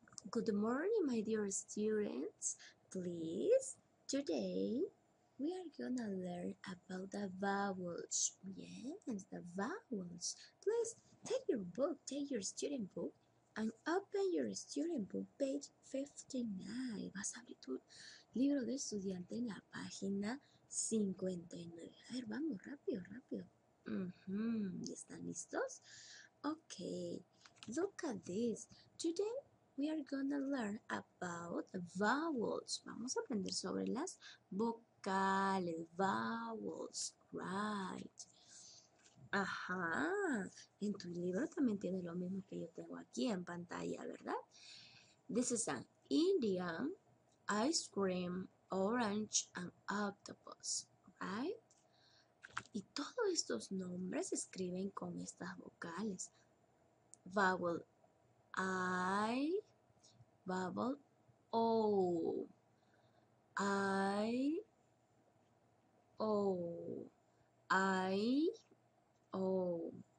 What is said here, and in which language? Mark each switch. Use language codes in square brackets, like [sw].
[en] Good morning, my dear students. Please, today we are gonna learn about the vowels. Yes, the vowels. Please take your book, take your student book, and open your student book, page 59. [es] Vas a abrir tu libro de estudiante en la página 59. A ver, vamos, rápido, rápido. ¿Están listos? [en] Okay, look at this. Today we are gonna learn about vowels. [es] Vamos a aprender sobre las vocales. [en] Vowels, right. [es] Ajá. En tu libro también tiene lo mismo que yo tengo aquí en pantalla, ¿verdad? [en] This is an Indian ice cream, orange and octopus, right? [es] Y todos estos nombres se escriben con estas vocales. [en] Vowel I, vowel O, I, O, I, O.